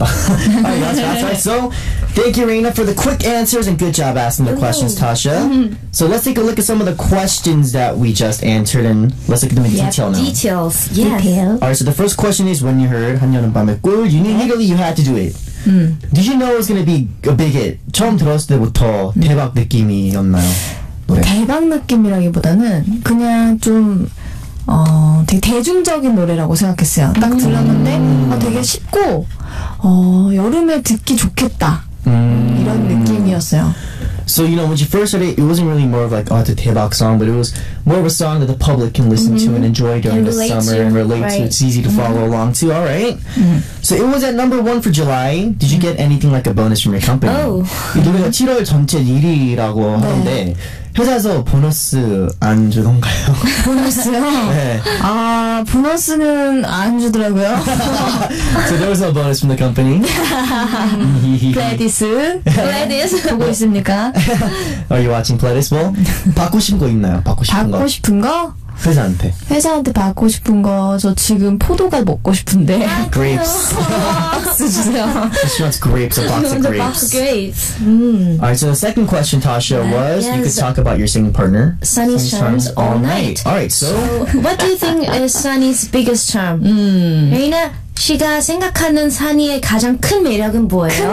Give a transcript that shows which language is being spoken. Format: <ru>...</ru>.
<en>All right, that was fast, right? So, thank you, Reina, for the quick answers and good job asking the questions, Tasha. So, let's take a look at some of the questions that we just answered and let's look at them in detail now. Details. Yes. Detail. All right, so the first question is, when you heard 한여름밤의 꿀, you knew immediately you had to do it. Did you know it was going to be a big hit?</en> <ko>처음 들었을 때부터 대박 느낌이었나요? 대박 느낌이라기보다는 그냥 좀... 되게 대중적인 노래라고 생각했어요. 딱 들었는데 되게 쉽고 여름에 듣기 좋겠다 이런 느낌이었어요.</ko> <en>So you know when you first heard it, it wasn't really more of like a 대박 song, but it was more of a song that the public can listen to and enjoy during and the summer to, and relate right. to. It's easy to follow along to. All right. So it was at number one for July. Did you get anything like a bonus from your company? Oh.</en> <ko>이 노래가 7월 전체 1위라고 하는데. 회사에서 보너스 안 주던가요? 보너스요? 네. 아, 보너스는 안 주더라고요.</ko> <en>So there was no bonus from the company. Pledis. Pledis.</en> <ko>보고 있습니까?</ko> <en>Are you watching Pledis? Well,</en> <ko>받고 싶은 거 있나요? 받고 싶은 거? 받고 싶은 거? 회사한테. 회사한테 받고 싶은 거, 저 지금 포도가 먹고 싶은데.</ko> <en>Grapes.</en> <ko>박스 주세요.</ko> <en>She wants grapes, a box of grapes. Grapes. Alright, so the second question, Tasha, was you could talk about your singing partner. Sunny's charms all night. Alright, so. What do you think is Sunny's biggest charm?</en> <ko>레이나, 씨가 생각하는 산이의 가장 큰 매력은 뭐예요?</ko>